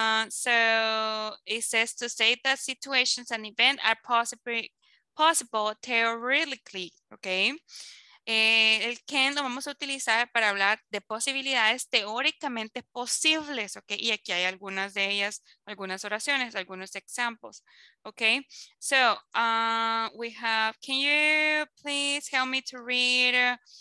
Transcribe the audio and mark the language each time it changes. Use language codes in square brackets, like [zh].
[en] So it says to state that situations and events are possible theoretically, okay? [es] El can lo vamos a utilizar para hablar de posibilidades teóricamente posibles, ok? Y aquí hay algunas de ellas, algunas oraciones, algunos examples, ok? [en] So, we have, can you please help me to read?